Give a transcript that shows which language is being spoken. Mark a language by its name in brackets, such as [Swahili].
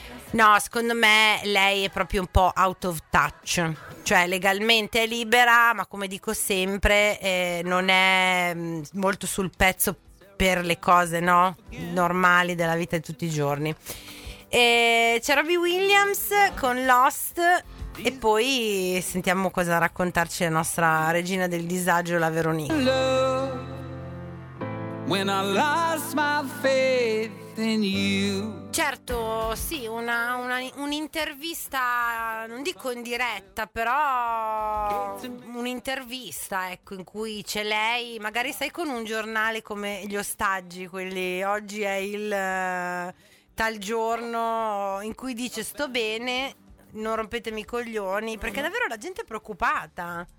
[Italian] No, secondo me lei è proprio un po' [English] out of touch, [Italian] cioè legalmente è libera, ma come dico sempre, non è molto sul pezzo per le cose, no? Normali della vita di tutti i giorni. E c'è Robbie Williams con Lost e poi sentiamo cosa raccontarci la nostra regina del disagio, la Veronica. [English] Hello, when I lost my faith in you. [Italian] Certo, sì, un'intervista, non dico in diretta, però un'intervista, ecco, in cui c'è lei, magari sei con un giornale come gli ostaggi, quelli oggi è il tal giorno in cui dice sto bene, non rompetemi i coglioni, perché davvero la gente è preoccupata.